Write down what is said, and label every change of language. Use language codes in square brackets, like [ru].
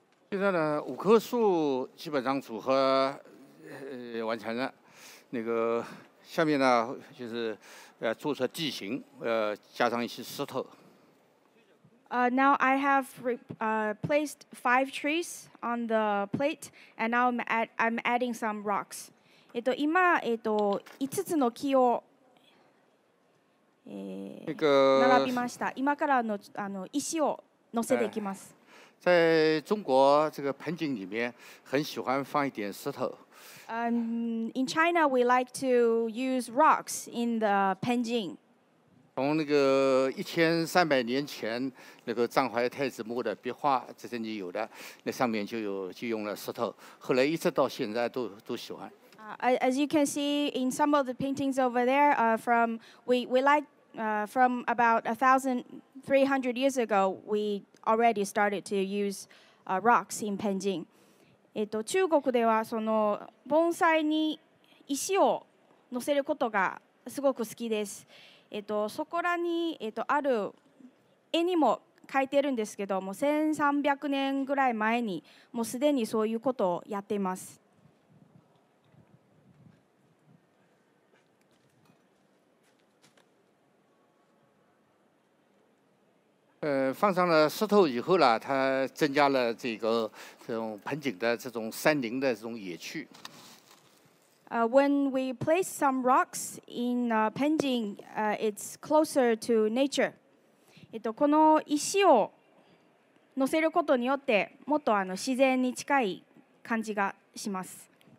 [zh] 现在呢，五棵树基本上组合完成了。那个下面呢，就是做出地形，加上一些石头。 [en] Now I have placed five trees on the plate, and now I'm adding some rocks. [ja] 今五つの木を並びました。今から石を乗せていきます。 [zh] 在中国这个盆景里面，很喜欢放一点石头。 [en] In China, we like to use rocks in the 盆景。 [zh] 从那个1300年前那个藏怀太子墓的壁画，这些你有的，那上面就用了石头。后来一直到现在都喜欢。 [en] As you can see in some of the paintings over there, from about 1,300 years ago, we already started to use rocks in Penjing. [ja] 中国ではその盆栽に石を乗せることがすごく好きです。そこらにある絵にも書いてるんですけども、1300年ぐらい前にもうすでにそういうことをやっています。 [zh] 放上了石头以后呢，它增加了这种盆景的这种山林的这种野趣。 [en] When we place some rocks in Penjing, it's closer to nature. [ja] この石を乗せることによって、もっと自然に近い感じがします。